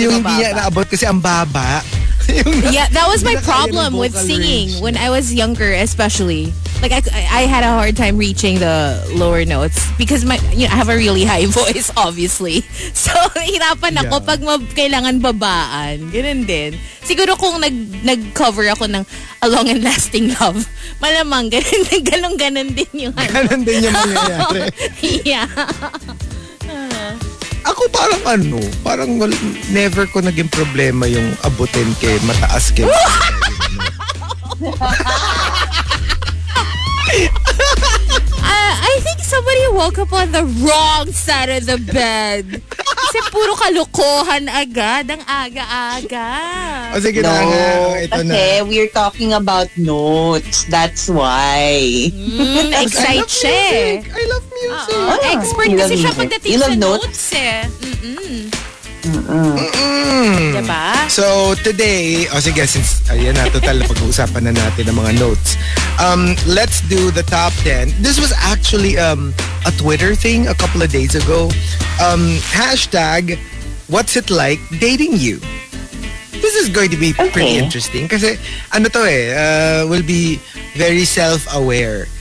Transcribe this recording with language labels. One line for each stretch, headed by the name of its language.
Filipino: mababa. Ito yung hindi niya naaabot kasi ang baba.
English: Yeah, that was my problem with singing range when I was younger especially. Like, I had a hard time reaching the lower notes because I have a really high voice, obviously.
Filipino: So, hirapan ako pag kailangan babaan. Ganun din. Siguro kung nag-cover ako ng A Long and Lasting Love, malamang ganun din yung ano. Ganun din yung mangyayari. Yeah. Ako parang ano, parang never ko naging problema yung abutin kay mataas kay
English: I think somebody woke up on the wrong side of the bed.
Filipino: Kasi puro kalukohan agad, ang aga-aga. O sige,
English: no,
Filipino: na, ito kasi na.
English: Kasi we're talking about notes, that's why.
Filipino: Excited siya.
English: I love music. Uh-oh. Expert you
Filipino: kasi siya pagdating sa notes eh. Diba?
English: So today, since
Filipino: ayan na total na pag-uusapan na natin ang mga notes.
English: Let's do the top 10. This was actually a Twitter thing a couple of days ago. Hashtag, what's it like dating you? This is going to be pretty interesting
Filipino: kasi ano to eh,
English: will be very self-aware.